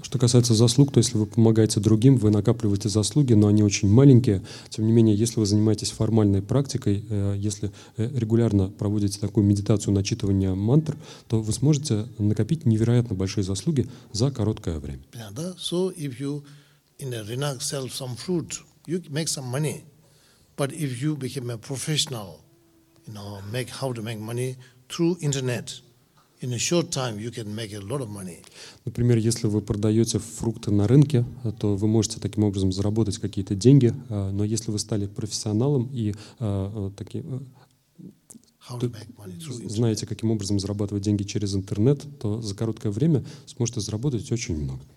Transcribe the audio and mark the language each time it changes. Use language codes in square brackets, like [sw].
[ru] Что касается заслуг, то если вы помогаете другим, вы накапливаете заслуги, но они очень маленькие. Тем не менее, если вы занимаетесь формальной практикой, если регулярно проводите такую медитацию начитывания мантр, то вы сможете накопить невероятно большие заслуги за короткое время. [en] Yeah, [ru] да? [en] So if you in a renunciation sell some fruit, you make some money. But if you become a professional, you know, make how to make money through internet, in a short time you can make a lot of money. [ru] Например, если вы продаете фрукты на рынке, то вы можете таким образом заработать какие-то деньги. Но если вы стали профессионалом и таким знаете, каким образом зарабатывать деньги через интернет, то за короткое время сможете заработать очень много.